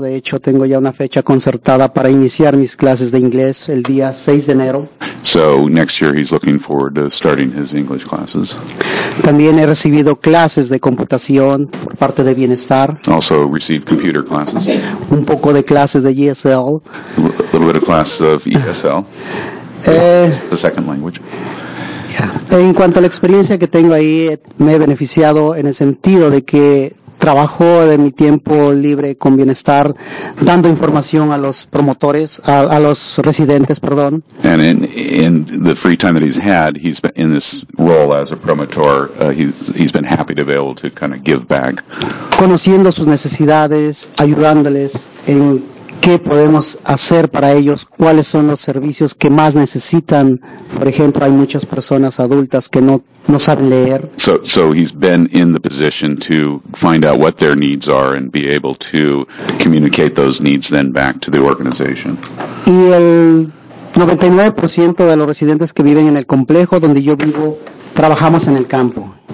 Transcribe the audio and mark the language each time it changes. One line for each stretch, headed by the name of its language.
Spanish: De hecho, tengo ya una fecha concertada para iniciar mis clases de inglés el día 6 de enero.
English: So next year he's looking forward to starting his English classes.
Spanish: También he recibido clases de computación por parte de Bienestar.
English: Also received computer classes.
Spanish: Un poco de clases de ESL.
English: A little bit of class of ESL, the second language. Yeah.
Spanish: En cuanto a la experiencia que tengo ahí, me he beneficiado en el sentido de que trabajo de mi tiempo libre con Bienestar, dando información a los promotores, a los residentes, perdón.
English: And in the free time that he's had, he's been in this role as a promotor, he's been happy to be able to kind of give back.
Spanish: Conociendo sus necesidades, ayudándoles en qué podemos hacer para ellos, cuáles son los servicios que más necesitan. Por ejemplo, hay muchas personas adultas que no saben leer.
English: So he's been in the position to find out what their needs are and be able to communicate those needs then back to the organization.
Spanish: Y el 99% de los residentes que viven en el complejo donde yo vivo, trabajamos en el campo.